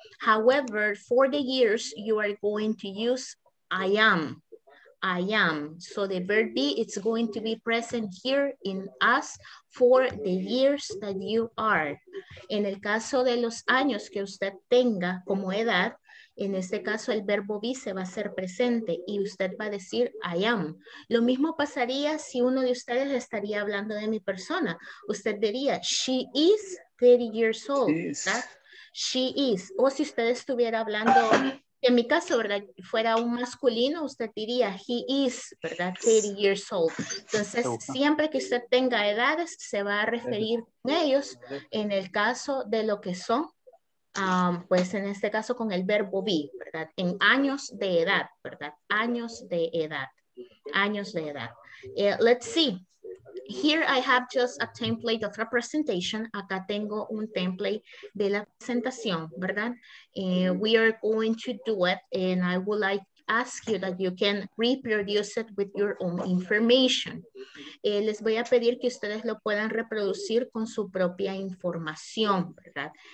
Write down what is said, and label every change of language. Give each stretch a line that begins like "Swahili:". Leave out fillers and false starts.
English: However, for the years, you are going to use I am. I am. So the verb be, it's going to be present here in us for the years that you are.
Spanish: En el caso de los años que usted tenga como edad, en este caso el verbo be se va a hacer presente y usted va a decir
English: I am.
Spanish: Lo mismo pasaría si uno de ustedes estaría hablando de mi persona. Usted diría
English: she is 30 years old. She is.
Spanish: O si usted estuviera hablando... En mi caso, ¿verdad? Fuera un masculino, usted diría,
English: he is,
Spanish: ¿verdad?
English: 30 years old.
Spanish: Entonces, siempre que usted tenga edades, se va a referir con ellos en el caso de lo que son, pues en este caso con el verbo be, ¿verdad? En años de edad, ¿verdad? Años de edad. Años de edad.
English: Let's see. Here I have just a template of a presentation.
Spanish: Acá tengo un template de la presentación, ¿verdad?
English: We are going to do it and I would like ask you that you can reproduce it with your own information.
Spanish: Les voy a pedir que ustedes lo puedan reproducir con su propia información, ¿verdad?